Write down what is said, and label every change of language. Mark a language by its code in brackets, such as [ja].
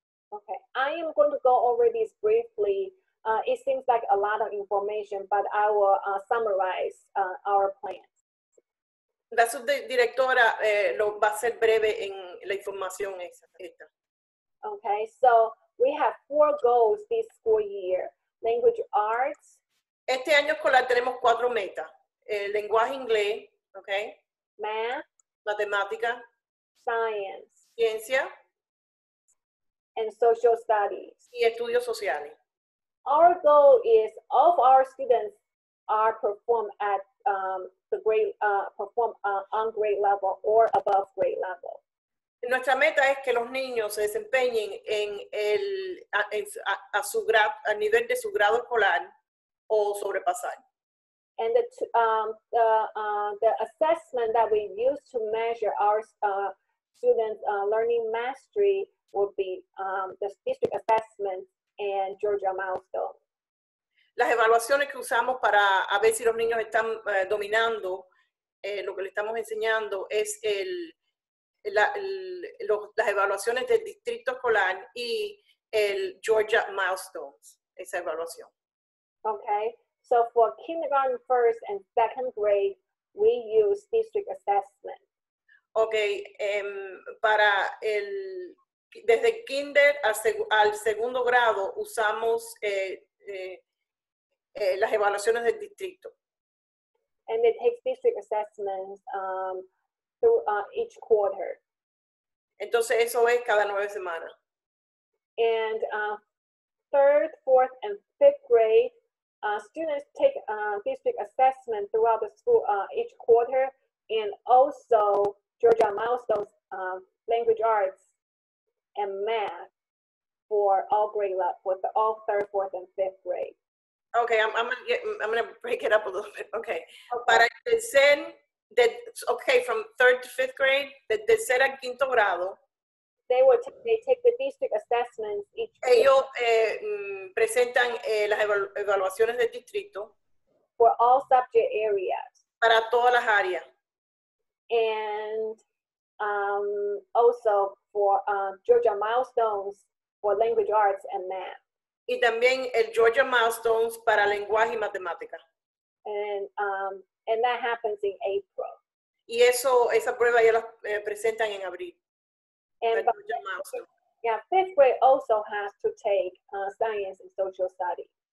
[en] Okay, I am going to go over this briefly. It seems like a lot of information, but I will summarize our plan. [es] La subdirectora lo va a hacer breve en la información esta. [en] Okay, so we have 4 goals this school year. Language arts. [es] Este año escolar tenemos 4 metas. Lenguaje inglés, okay. [en] Math. [es] Matemática. [en] Science. [es] Ciencia. [en] And social studies. [es] Y estudios sociales. [en] Our goal is all of our students are perform at the grade perform on grade level or above grade level. [es] Nuestra meta es que los niños se desempeñen en el a nivel de su grado escolar o sobrepasar. [en] And the assessment that we use to measure our students' learning mastery would be the district assessment. And Georgia milestone. [es] Las evaluaciones que usamos para a ver si los niños están dominando lo que le estamos enseñando es las evaluaciones del distrito escolar y el Georgia Milestones, esa evaluación. [en] Okay, so for kindergarten, first, and second grade, we use district assessment. [es] Okay, para el, desde kinder al, al segundo grado, usamos las evaluaciones del distrito. [en] And it takes district assessments through each quarter. [es] Entonces eso es cada 9 semanas. [en] And third, fourth, and fifth grade, students take district assessment throughout the school each quarter, and also Georgia Milestones language arts and math for all grade level, for the all third, fourth, and fifth grade. Okay, I'm gonna break it up a little bit. Okay, [es] para tercer, [en] okay, from third to fifth grade, [es] de tercer a quinto grado. [en] They take the district assessments each [es] year. Ellos presentan las evaluaciones del distrito. [en] For all subject areas. [es] Para todas las áreas. [en] And also for Georgia Milestones for language arts and math. [es] Y también el Georgia Milestones para lenguaje y matemática. [en] And that happens in April. [es] Y eso, esa prueba ya la presentan en abril. [en] And but, yeah, fifth grade also has to take science and social studies.